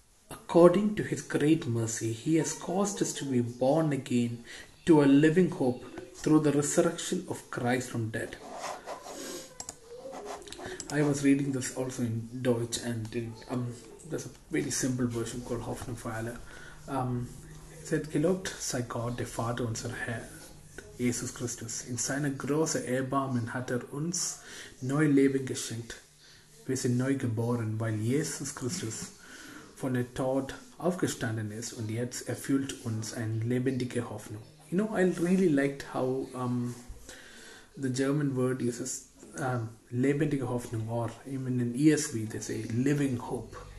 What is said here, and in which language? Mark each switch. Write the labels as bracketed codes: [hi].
[en] According to His great mercy, He has caused us to be born again to a living hope through the resurrection of Christ from dead. I was reading this also in Deutsch, and in, there's a very simple version called Hoffnungsfeuer. [de] Es hat gelobt sei Gott, der Vater unser Herr, Jesus Christus. In seiner großen Erbarmen hat uns neu Leben geschenkt. Wir sind neu geboren, weil Jesus Christus von der Tod aufgestanden ist, und jetzt erfüllt uns eine lebendige Hoffnung. [en] You know, I really liked how the German word uses [de] lebendige Hoffnung, [en] or even in ESV they say living hope.